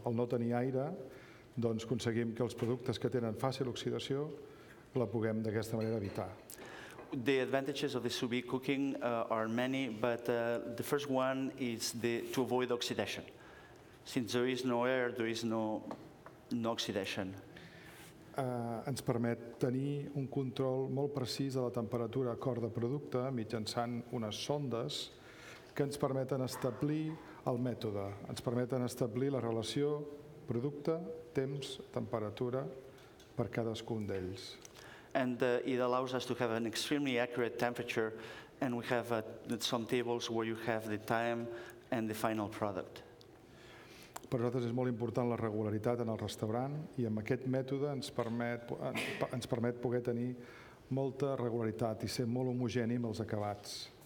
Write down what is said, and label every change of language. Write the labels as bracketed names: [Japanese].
[Catalan] El no tenir aire, doncs aconseguim que els productes que tenen fàcil oxidació la puguem d'aquesta manera evitar. [English] The advantages of the sous vide cooking are many, but the first one is to avoid oxidation. Since there is no air, there is no oxidation. [Catalan] Ens permet tenir un control molt precís de la temperatura a cor de producte mitjançant unes sondes que ens permeten establir el mètode. Ens permeten establir la relació producte, temps, temperatura per cadascun d'ells. [English] And it allows us to have an extremely accurate temperature, and we have some tables where you have the time and the final product. [Catalan] Per nosaltres és molt important la regularitat en el restaurant, i amb aquest mètode ens permet poder tenir molta regularitat i ser molt homogeni amb els acabats.